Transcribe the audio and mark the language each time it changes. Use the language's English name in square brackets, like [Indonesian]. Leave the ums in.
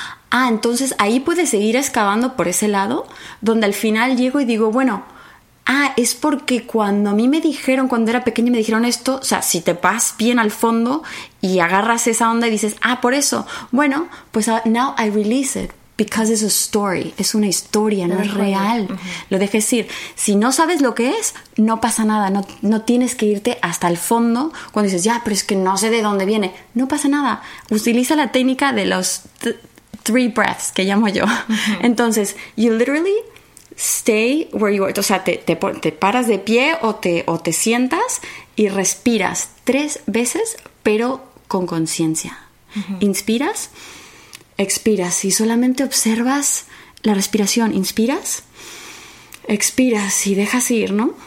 [Spanish] Ah, entonces ahí puedes seguir excavando por ese lado, donde al final llego y digo, bueno, ah, es porque cuando a mí me dijeron, cuando era pequeña, me dijeron esto, o sea, si te vas bien al fondo y agarras esa onda y dices, ah, por eso, bueno, pues ah, [English] now I release it. Because it's a story, [Spanish] es una historia, no es dejo ir. real. Lo dejes ir. Si no sabes lo que es, no pasa nada, no, no tienes que irte hasta el fondo cuando dices, ya, pero es que no sé de dónde viene. No pasa nada. Utiliza la técnica de los th- [English] three breaths [Spanish] que llamo yo. [English] Entonces, you literally stay where you are. [Spanish] O sea, te, te pon- te paras de pie o te, o te sientas y respiras tres veces, pero con conciencia. Inspiras expiras y solamente observas la respiración. Inspiras, expiras y dejas ir, ¿no?